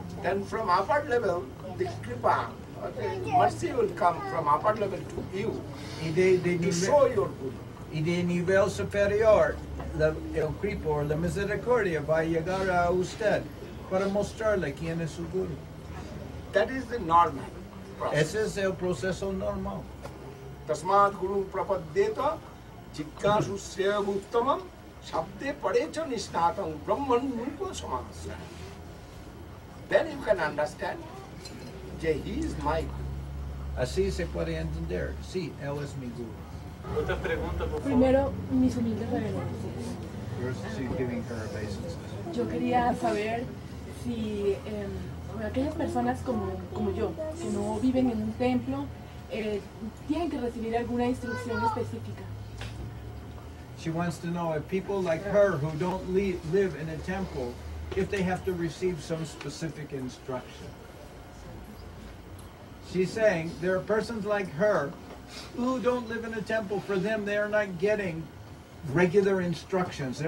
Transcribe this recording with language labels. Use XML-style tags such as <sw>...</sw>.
<en>Then from upper level, the kripa, mercy will come from upper level to you.</en> <es>Y de</es> <en>to show your guru.</en> <es>Y de nivel superior, el creepo, la misericordia, va a llegar a usted para mostrarle quién es su guru.</es> <en>That is the normal process.</en> <es>Ese es el proceso normal.</es> <sa>Tasmat guru prapadeta, jikkasu sev uttamam, shabde parecha nishnatam, brahman nirva samasya.</sa> <en>Then you can understand that he is my guru.</en> <es>Así se puede entender. Sí, él es mi guru. Otra pregunta, por favor. Primero, mis humildes reverencias. Yo quería saber si aquellas personas como yo, que no viven en un templo, tienen que recibir alguna instrucción específica.</es> <en>She wants to know if people like her who don't live in a temple, if they have to receive some specific instruction. She's saying there are persons like her who don't live in a temple, for them they are not getting regular instructions.</en>